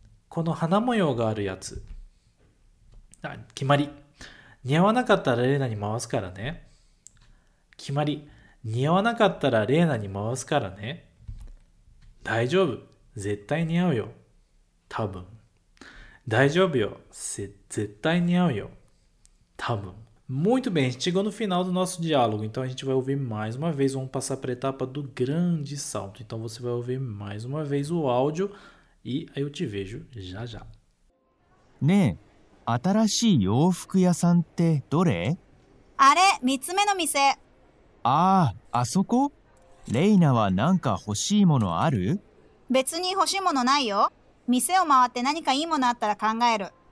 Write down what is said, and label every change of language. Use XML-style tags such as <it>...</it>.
<ja>この花模様があるやつ。あ、決まり。似合わなかったらレーナに回すからね。決まり。似合わなかったらレーナに回すからね。大丈夫。絶対似合うよ。多分。大丈夫よ。絶対に合うよ。多分。</ja> <pt>Muito bem, a gente chegou no final do nosso diálogo, então a gente vai ouvir mais uma vez, vamos passar para a etapa do grande salto. Então você vai ouvir mais uma vez o áudio e aí eu te vejo já já.</pt> <ja>ねえ、新しい洋服屋さんってどれ？あれ、三つ目の店。ああ、あそこ？レイナは何か欲しいものある？別に欲しいものないよ。店を回って何かいいものあったら考える。</ja>